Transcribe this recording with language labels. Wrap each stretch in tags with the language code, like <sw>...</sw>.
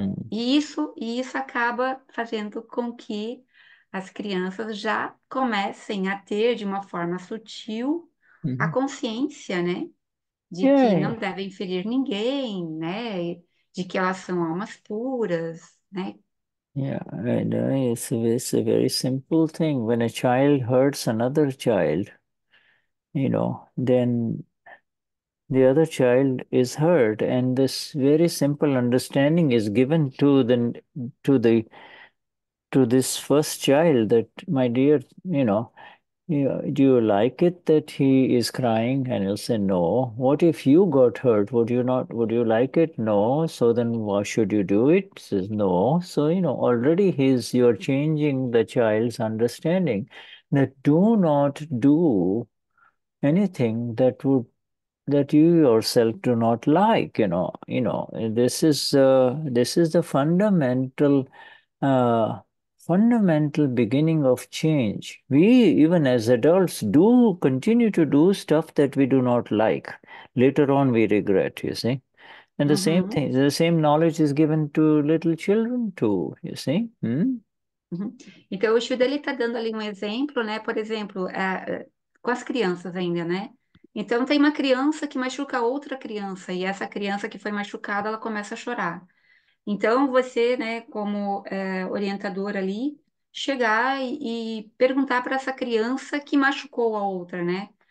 <pt>E isso acaba fazendo com que as crianças já comecem a ter de uma forma sutil a consciência, né, de que não devem ferir ninguém, né, de que elas são almas puras, né?</pt> <en>It's a very simple thing. When a child hurts another child, you know, then the other child is hurt, and this very simple understanding is given to this first child that, my dear, do you like it that he is crying? And he'll say, no. What if you got hurt? Would you like it? No. So then why should you do it? He says, no. So, you know, already you're changing the child's understanding that do not do anything that you yourself do not like. This is the fundamental beginning of change. We, even as adults, do continue to do stuff that we do not like. Later on, we regret, you see. And the same thing, the same knowledge is given to little children too, you see.</en> <pt>Então, o Xu dele está dando ali um exemplo, né? Por exemplo, com as crianças ainda, né? Então, tem uma criança que machuca outra criança, e essa criança que foi machucada, ela começa a chorar. Então, você, né, como orientador ali, chegar e perguntar para essa criança que machucou a outra, né?</pt>